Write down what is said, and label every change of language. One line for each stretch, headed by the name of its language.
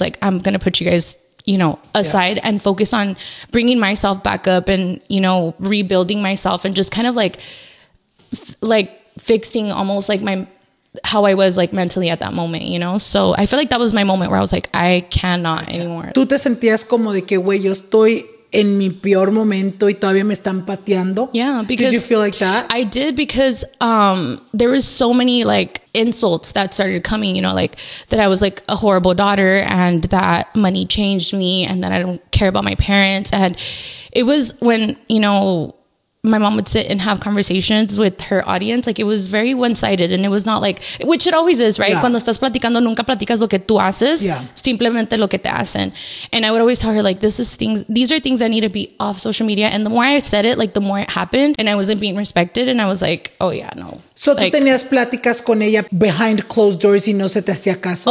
English: Like, I'm going to put you guys, you know, aside and focus on bringing myself back up and, you know, rebuilding myself and just kind of like, fixing almost like how I was like mentally at that moment, you know? So I feel like that was my moment where I was like, I cannot anymore.
Spanish: Tú te sentías como de que, güey, yo estoy en mi peor momento y todavía me están pateando.
English: Yeah. Because did you feel like that? I did, because there was so many like insults that started coming, you know, like that I was like a horrible daughter and that money changed me and that I don't care about my parents. And it was when, you know, my mom would sit and have conversations with her audience. Like, it was very one-sided, and it was not like, which it always is, right? Yeah.
Spanish: Cuando estás platicando, nunca platicas lo que tú haces. Yeah. Simplemente lo que te hacen.
English: And I would always tell her like, these are things that need to be off social media. And the more I said it, like the more it happened and I wasn't being respected. And I was like, oh yeah, no. So like,
Spanish: tú tenías pláticas con ella
English: behind closed doors
Spanish: y no se te hacía caso.